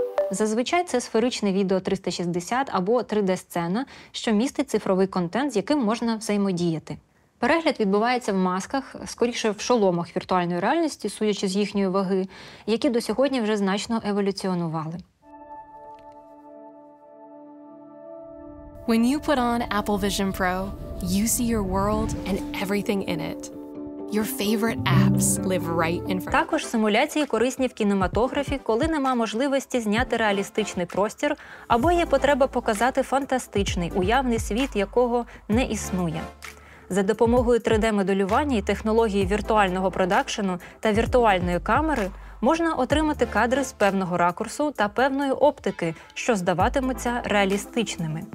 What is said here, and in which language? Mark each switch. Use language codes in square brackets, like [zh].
[uk] Зазвичай це сферичне відео 360 або 3D-сцена, що містить цифровий контент, з яким можна взаємодіяти. Перегляд відбувається в масках, скоріше в шоломах віртуальної реальності, судячи з їхньої ваги, які до сьогодні вже значно еволюціонували. [en] When you put on Apple Vision Pro, you see your world and everything in it. Your favorite apps live right in front. [uk] Також симуляції корисні в кінематографі, коли нема можливості зняти реалістичний простір або є потреба показати фантастичний, уявний світ, якого не існує. За допомогою 3D-моделювання і технології віртуального продакшену та віртуальної камери можна отримати кадри з певного ракурсу та певної оптики, що здаватимуться реалістичними.